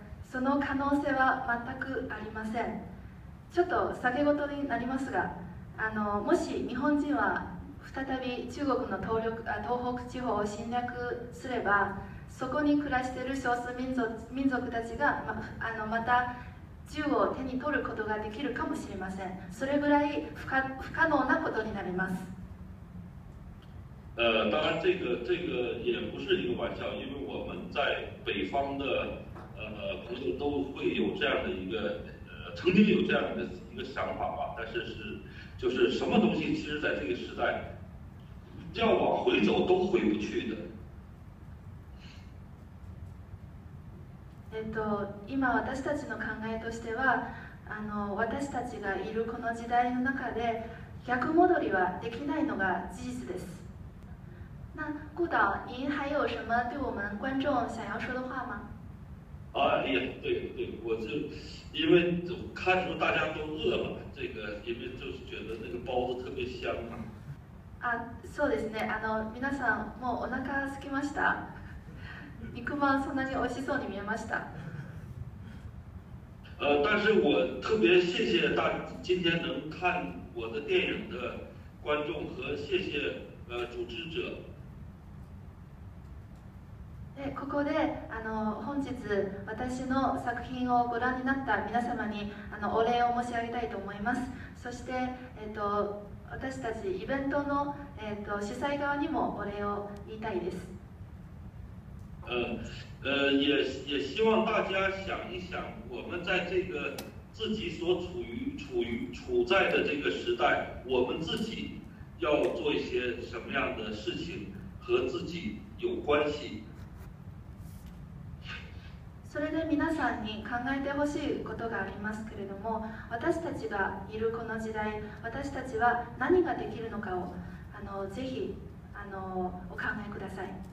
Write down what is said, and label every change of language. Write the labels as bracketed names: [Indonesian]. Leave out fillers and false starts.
[Japanese] その可能性は全くありません。ちょっと下げ事になりますが、もし日本人は再び中国の東北地方を侵略すれば、そこに暮らしている少数民族たちが また銃を手に取ることができるかもしれません。それぐらい不可能なことになります。 [Chinese] 当然这个也不是一个玩笑，因为我们在北方的朋友都会有这样的一个曾经有这样的一个想法吧，但是是就是什么东西，其实在这个时代要往回走都回不去的。 [Japanese] 今私たちの考えとしては、私たちがいるこの時代の中で逆戻りはできないのが事実です。 [Chinese] 那顾导，您还有什么对我们观众想要说的话吗？也对，我就因为就看出大家都饿了，这个因为就是觉得那个包子特别香嘛。 [Japanese] そうですね。皆さんもうお腹空きました。肉まんそんなに美味しそうに見えました。 [Chinese] 但是我特别谢谢大今天能看我的电影的观众和谢谢组织者。 [Japanese] でここで本日私の作品をご覧になった皆様にお礼を申し上げたいと思います。そして、私たちイベントの、主催側にもお礼を言いたいです。 [Chinese] 也希望大家想一想我们在这个自己所处在的这个时代我们自己要做一些什么样的事情和自己有关系。 [Japanese] それで皆さんに考えてほしいことがありますけれども、私たちがいるこの時代私たちは何ができるのかをぜひお考えください。